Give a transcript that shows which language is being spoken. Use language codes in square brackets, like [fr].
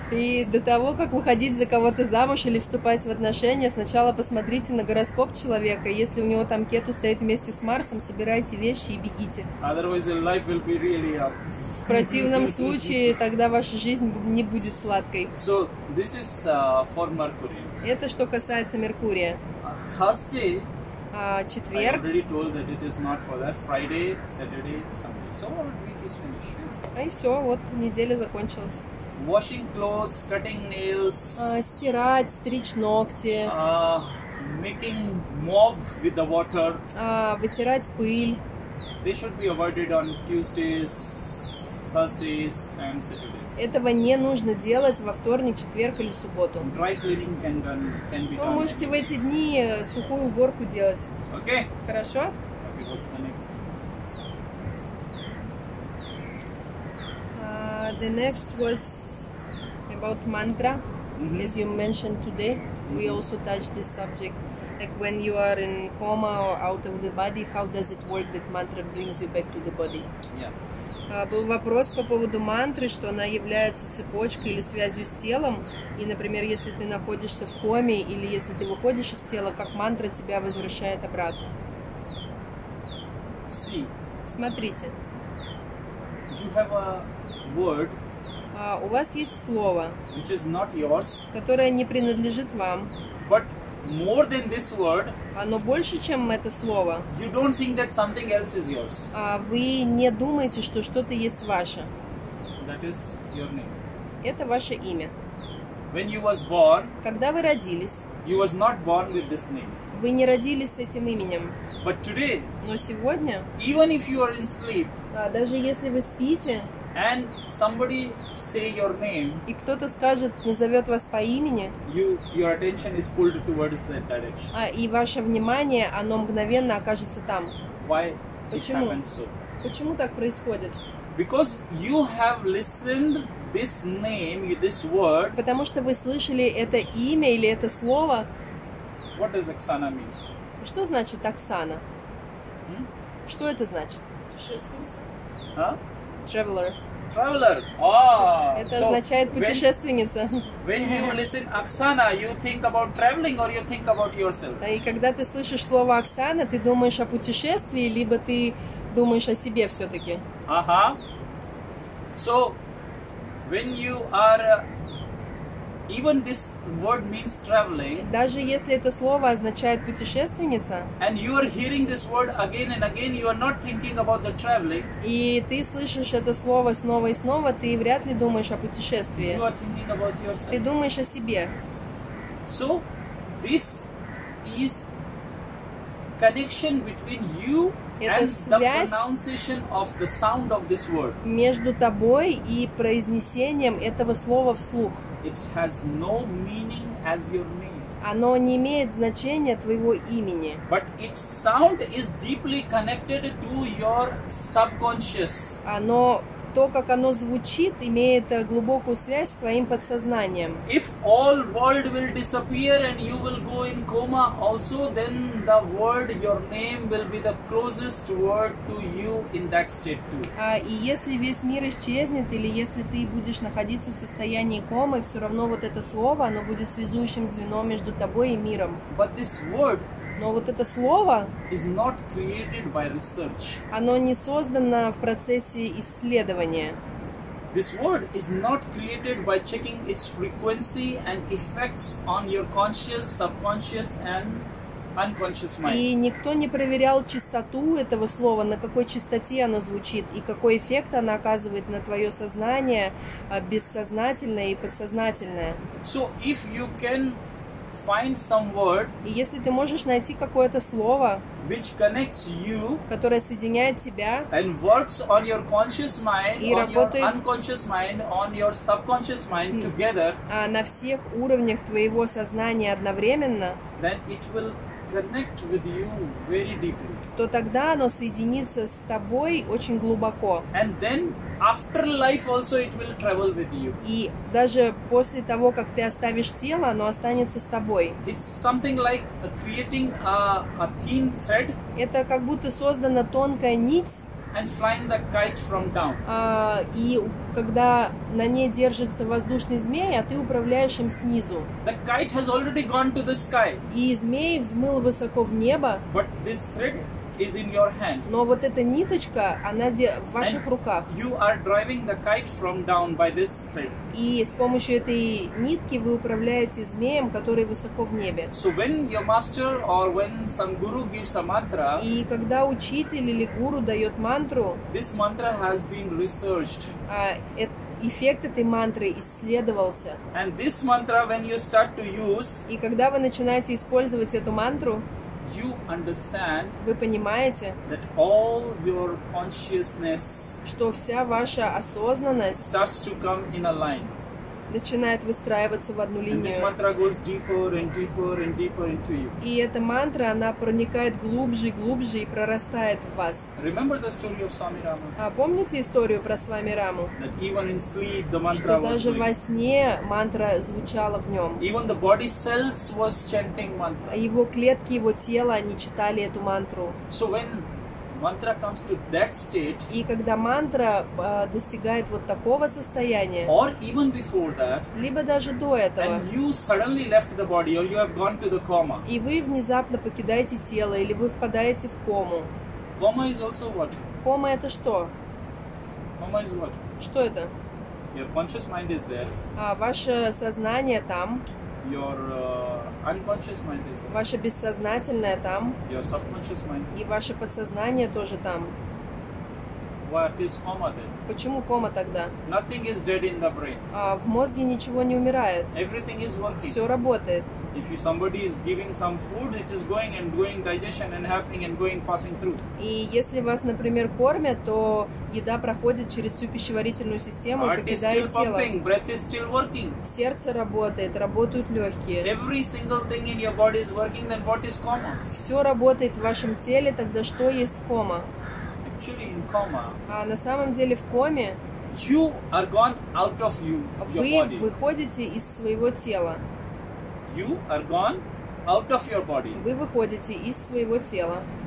[ru] И до того, как выходить за кого-то замуж или вступать в отношения, сначала посмотрите на гороскоп человека. Если у него там Кету стоит вместе с Марсом, собирайте вещи и бегите. [en] Otherwise, your life will be really hard. [ru] В противном случае тогда ваша жизнь не будет сладкой. [en] So this is for Mercury. [ru] Это что касается Меркурия. [en] Thursday. [ru] А четверг. [en] I already told that it is not for that. Friday, Saturday, Sunday. So our week is finished. [ru] А и все, вот неделя закончилась. [en] Washing clothes, cutting nails. [ru] Стирать, стричь ногти. [en] Making mop with the water. [ru] Вытирать пыль. [en] they should be avoided on Tuesdays, Thursdays and Saturdays. [ru] Этого не нужно делать во вторник, четверг или субботу. [en] Dry cleaning can be done. [ru] Вы можете в эти дни сухую уборку делать. [en] Okay. [ru] Хорошо? [en] Okay, what's the next? The next was about mantra. Mm-hmm. As you mentioned today, mm-hmm. we also touched this subject. Like when you are in coma or out of the body, how does it work that mantra brings you back to the body? Yeah. [ru] Был вопрос по поводу мантры, что она является цепочкой или связью с телом. И, например, если ты находишься в коме или если ты выходишь из тела, как мантра тебя возвращает обратно? [en] See. [ru] Смотрите. [en] You have a word. [ru] У вас есть слово, [en] which is not yours, [ru] которое не принадлежит вам. [en] But more than this word, [ru] оно больше, чем это слово. [en] You don't think that something else is yours. [ru] Вы не думаете, что что-то есть ваше. [en] That is your name. [ru] Это ваше имя. [en] When you was born, [ru] когда вы родились, [en] you was not born with this name. [ru] Вы не родились с этим именем. [en] But today, [ru] но сегодня, [en] even if you are in sleep, [ru] даже если вы спите, [en] and somebody say your name, [ru] и кто-то скажет, назовет вас по имени, [en] your attention is pulled towards that direction. [ru] И ваше внимание, оно мгновенно окажется там. [en] Why? [ru] Почему? [en] It happens so? [ru] Почему так происходит? [en] Because you have listened this name, this word. [ru] Потому что вы слышали это имя или это слово. [en] What does Оксана means? [ru] Что значит Оксана? Что это значит? Путешественница. А? [en] Traveler. Traveler. [ru] Это означает путешественница. [en] When you listen Оксана, you think about traveling or you think about yourself? [ru] И когда ты слышишь слово Оксана, ты думаешь о путешествии, либо ты думаешь о себе все-таки. [en] Ага. So, when you are... Even this word means traveling. [ru] Даже если это слово означает путешественница. [en] And you are hearing this word again and again, you are not thinking about the traveling. [ru] И ты слышишь это слово снова и снова, ты вряд ли думаешь о путешествии. [en] You are thinking about yourself. [ru] Ты думаешь о себе. [en] So this is connection between you [ru] это [en] and the pronunciation of the sound of this word. [ru] Между тобой и произнесением этого слова вслух. [en] It has no meaning as your name. [ru] Оно не имеет значения твоего имени. [en] But its sound is deeply connected to your subconscious. [ru] Оно, то, как оно звучит, имеет глубокую связь с твоим подсознанием. [en] If all world will disappear and you will go in coma also, then the word, your name, will be the closest word to you in that state too. [ru] И если весь мир исчезнет, или если ты будешь находиться в состоянии комы, все равно вот это слово, оно будет связующим звеном между тобой и миром. [en] But this word, [ru] но вот это слово, [en] is not created by research. [ru] Оно не создано в процессе исследования. [en] This word is not created by checking its frequency and effects on your conscious, subconscious and unconscious mind. [ru] И никто не проверял частоту этого слова, на какой частоте оно звучит и какой эффект оно оказывает на твое сознание, бессознательное и подсознательное. [en] So if you can find some word, [ru] и если ты можешь найти какое-то слово, [en] which connects you, [ru] которое соединяет тебя, [en] and works on your conscious mind, [ru] и работает [en] on your unconscious mind, on your subconscious mind together, [ru] на всех уровнях твоего сознания одновременно, [en] then it will connect with you very deeply. [ru] То тогда оно соединится с тобой очень глубоко. [en] And then after life also it will travel with you. [ru] И даже после того, как ты оставишь тело, оно останется с тобой. [en] It's something like creating a thin thread. [ru] Это как будто создана тонкая нить. [en] And flying the kite from down. [ru] И когда на ней держится воздушный змей, а ты управляешь им снизу. [en] The kite has already gone to the sky. [ru] И змей взмыл высоко в небо. [en] But this thread is in your hand. [ru] Но вот эта ниточка, она в ваших [en] and [ru] руках. [en] You are driving the kite from down by this thread. [ru] И с помощью этой нитки вы управляете змеем, который высоко в небе. [en] So when your master or when some guru gives a mantra, [ru] и когда учитель или гуру дает мантру, [en] this mantra has been researched. [ru] Эффект этой мантры исследовался. [en] And this mantra, when you start to use, [ru] и когда вы начинаете использовать эту мантру, [en] you understand [ru] вы понимаете, [en] that all your consciousness [ru] что вся ваша осознанность [en] starts to come in a line. [ru] Начинает выстраиваться в одну линию. [en] And this mantra goes deeper and deeper and deeper into you. [ru] И эта мантра, она проникает глубже и глубже и прорастает в вас. [en] Remember the story of Swami Rama? [ru] А помните историю про Свами Раму? [en] That even in sleep the mantra [ru] что даже [en] was [ru] во сне мантра звучала в нем. [en] Even the body cells was chanting mantra. [ru] А его клетки, его тело, они читали эту мантру. [en] So when mantra comes to that state, [ru] и когда мантра достигает вот такого состояния, [en] or even before that, [ru] либо даже до этого, [en] and you suddenly left the body, or you have gone to the coma, [ru] и вы внезапно покидаете тело, или вы впадаете в кому. [en] Coma is also what? [ru] Кома это что? [en] Coma is what? [ru] Что это? [en] Your conscious mind is there. [ru] А ваше сознание там. [en] Your unconscious mind is there. [ru] Ваше бессознательное там. [en] Your subconscious mind. [ru] И ваше подсознание тоже там. [en] What is coma then? [ru] Почему кома тогда? [en] Nothing is dead in the brain. [ru] А в мозге ничего не умирает. [en] Everything is working. [ru] Все работает. [en] If somebody is giving some food, it is going and doing digestion and happening and going passing through. [ru] И если вас, например, кормят, то еда проходит через всю пищеварительную систему, покидает тело. [en] Heart is still pumping, breath is still working. [ru] Сердце работает, работают легкие. [en] Every single thing in your body is working, then what is coma? [ru] Все работает в вашем теле, тогда что есть кома? [en] Actually in coma. [ru] А на самом деле в коме [en] you are gone out of you, your body. [ru] Вы выходите из своего тела. [en] You are gone out of your body. [ru] Вы выходите из своего тела.